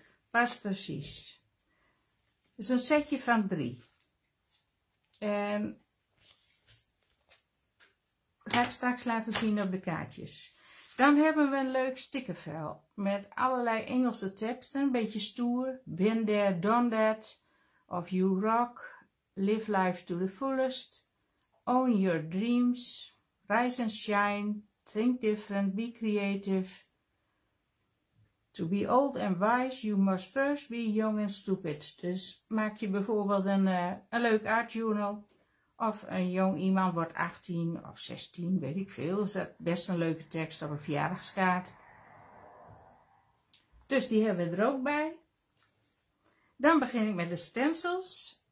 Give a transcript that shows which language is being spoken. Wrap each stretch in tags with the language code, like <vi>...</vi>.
<nl>Pas precies. Het is een setje van 3. En ga ik straks laten zien op de kaartjes. Dan hebben we een leuk stickervel met allerlei Engelse teksten. Een beetje stoer. Been there, done that. Of you rock.</nl> <en>Live life to the fullest, own your dreams, rise and shine, think different, be creative. To be old and wise, you must first be young and stupid.</en> <nl>Dus maak je bijvoorbeeld een leuk art journal of een jong iemand wordt 18 of 16, weet ik veel. Is dat best een leuke tekst op een verjaardagskaart. Dus die hebben we er ook bij. Dan begin ik met de stencils.</nl>